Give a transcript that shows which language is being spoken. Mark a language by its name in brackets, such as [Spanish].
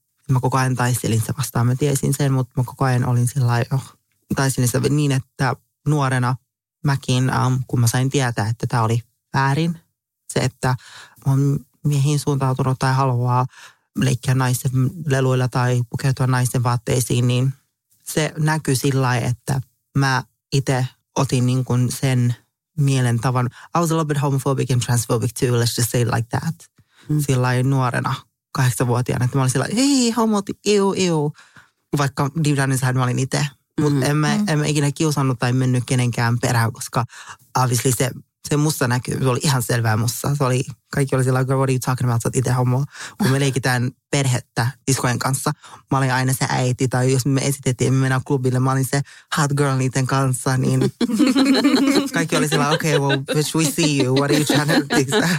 [Finnish] Mä koko ajan taistelin se vastaan, mä tiesin sen, mutta mä koko ajan olin sillä lailla, taistelin se niin, että nuorena mäkin, kun mä sain tietää, että tää oli väärin, se, että mä oon miehiin suuntautunut tai haluaa leikkiä naisen leluilla tai pukeutua naisen vaatteisiin, niin se näkyi sillä lailla, että mä itse otin niin kuin sen mielen tavan. [English] I was a little bit homophobic and transphobic too, let's just say it like that. [Finnish] Sillain nuorena, 8-vuotiaana, että mä olin sillä lailla, hei, homot, iu. Vaikka [English] deep down inside [Finnish] mä olin itse. Mutta en mä ikinä kiusannut tai mennyt kenenkään perään, koska [English] obviously [Finnish] se musta näkyy, se oli ihan selvää musta. Se oli, kaikki oli sillä lailla, [English] what are you talking about, [Finnish] sä oot itse homo. Kun me leikitään perhettä siskojen kanssa, mä olin aina se äiti, tai jos me esitettiin, me mennään klubille, mä olin se [English] hot girl [Finnish] niiden kanssa, niin kaikki oli sillä [English] okay, well, bitch, we see you, what are you trying to think?